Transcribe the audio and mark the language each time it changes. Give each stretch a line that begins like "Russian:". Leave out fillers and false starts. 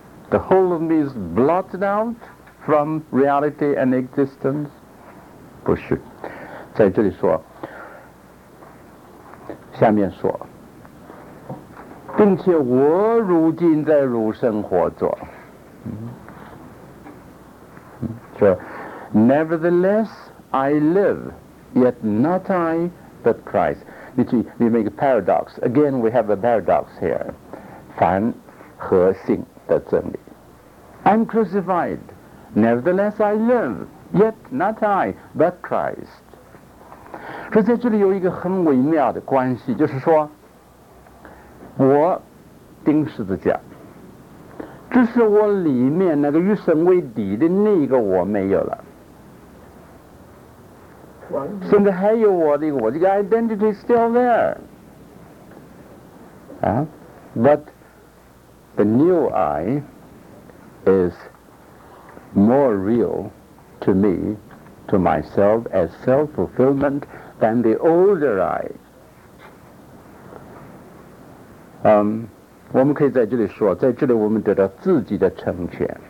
English: The whole of me is blotted out from reality and existence?
Chinese: 不是，在这里说，下面说，并且我如今在肉身活着。
English: So, nevertheless, I live, yet not I, but Christ. We make a paradox. Again, we have a paradox here.
Chinese: 凡和性的真理。
English: I'm crucified. Nevertheless, I live. Yet, not I, but Christ.
Chinese: 所以在这里有一个很微妙的关系，就是说，我钉十字架，只是我里面那个与神为敌的那个我没有了。现在还有我这个
English: identity is still there. But the new I is more real to me, to myself, as self-fulfillment than the older I.
Chinese: 我们可以在这里说，在这里我们得到自己的成全。